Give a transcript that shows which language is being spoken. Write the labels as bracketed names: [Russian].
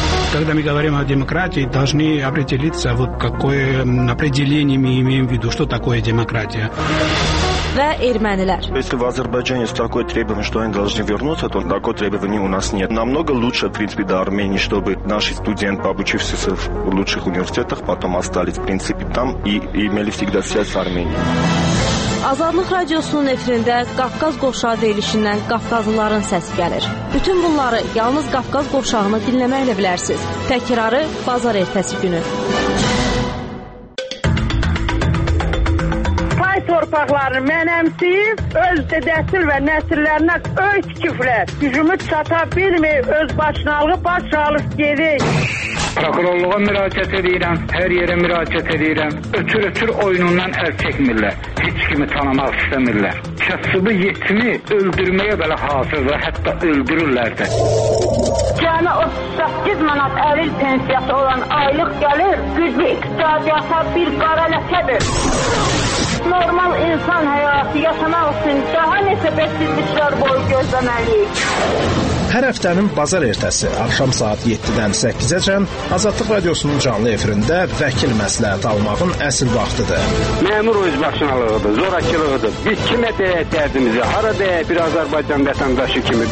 [Russian] Когда мы говорим о демократии, должны определиться, вот какое определение мы имеем в виду, что такое демократия. [Azerbaijani] Ve ermənilər. [Russian] Если в Азербайджане есть такое требование, что они должны вернуться, то такое требование у нас нет. Намного лучше, в принципе, до Армении, чтобы наши студенты, обучившиеся в лучших университетах, потом остались, в принципе, там и имели всегда связь с Арменией. [Azerbaijani] Azadlıq Radiosunun efirində Qafqaz Qovşağı deyilişindən Qafqazlıların səsi gəlir. Bütün bunları yalnız Qafqaz Qovşağını dinləməklə bilərsiniz. Təkrarı bazar ertəsi günü. Pay torpaqlarını mənəmsiz, öz dedəsil və nəsillərinə öz küflər. Gücümü çata bilmir, öz başınalığı başalıq gedir. Prokurorluğa müraciət edirəm, hər yerə müraciət edirəm. Ötür-ötür oyunundan əl çəkmirlər, heç kimi tanımaq istəmirlər. Kəsibi yetimi öldürməyə belə hazır və hətta öldürürlər də. Cəmi 38 manat əlil pensiyası olan aylıq gəlir, güclü iqtisadiyyata bir qara ləkədir. Normal insan həyatı yaşamaq üçün daha neçə bəsizliklər boyu gözləməliyik. Hər həftənin bazar ertəsi axşam saat 7-dən 8-əcən Azadlıq Radiosunun canlı efirində vəkil məsləhəti almağın əsl vaxtıdır. Məmur öz başınalığıdır, zorakılığıdır. Biz kimə dəyək dərdimizi, hara dəyək bir Azərbaycan vətəndaşı kimi?